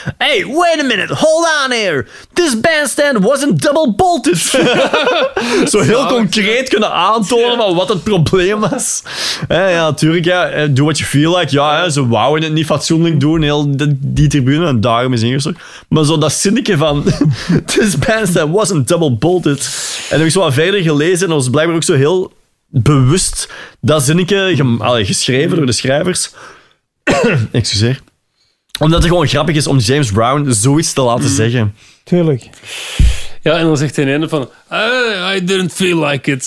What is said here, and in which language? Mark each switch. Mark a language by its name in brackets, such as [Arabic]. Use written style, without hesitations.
[English] Hey, wait a minute, hold on here. This bandstand wasn't double bolted. [Dutch] Zo heel concreet kunnen aantonen van wat het probleem was. Ja, natuurlijk, [English] do what you feel like. [Dutch] Ja, ze wouden het niet fatsoenlijk doen, heel die tribune, en daarom is ingestort. Maar zo dat zinnetje van, [English] this band that wasn't double bolted. [Dutch] En dan heb ik zo wat verder gelezen en dat was blijkbaar ook zo heel bewust dat zinnetje geschreven door de schrijvers. Excuseer. Omdat het gewoon grappig is om James Brown zoiets te laten zeggen. Tuurlijk. Ja, en dan zegt hij in einde van [English] I didn't feel like it.